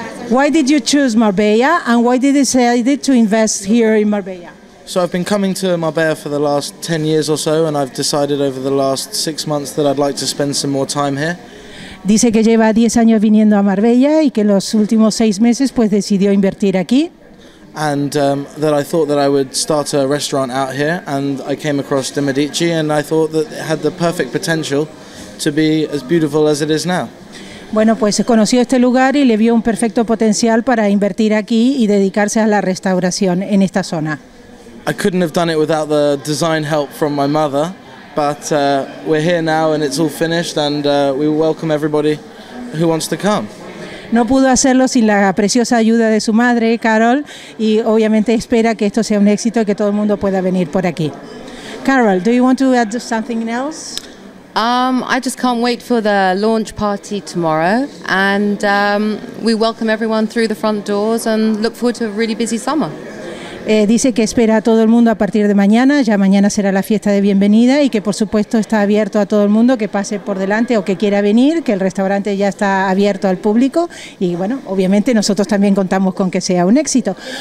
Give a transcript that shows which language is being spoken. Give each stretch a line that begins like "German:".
English: Why did you choose Marbella, and why did you decide to invest here in Marbella? So I've been coming to Marbella for the last 10 years or so, and I've decided over the last 6 months that I'd like to spend some more time here.
Spanish: Dice que lleva 10 años viniendo a Marbella y que los últimos 6 meses pues decidió invertir aquí.
English: And that I thought that I would start a restaurant out here, and I came across De Medici, and I thought that it had the perfect potential to be as beautiful as it is now.
Spanish: Bueno, pues conoció este lugar y le vio un perfecto potencial para invertir aquí y dedicarse a la restauración en esta zona.
English: I couldn't have done it without the design help from my mother, but we're here now and it's all finished and we welcome everybody who wants to come.
Spanish: No pudo hacerlo sin la preciosa ayuda de su madre, Carol, y obviamente espera que esto sea un éxito y que todo el mundo pueda venir por aquí.
English: Carol, do you want to add something else? I just can't wait for the launch party tomorrow, and we welcome everyone through the front doors and look forward to a really busy summer.
Spanish: Dice que espera a todo el mundo a partir de mañana, ya mañana será la fiesta de bienvenida y que por supuesto está abierto a todo el mundo que pase por delante o que quiera venir, que el restaurante ya está abierto al público y bueno, obviamente nosotros también contamos con que sea un éxito.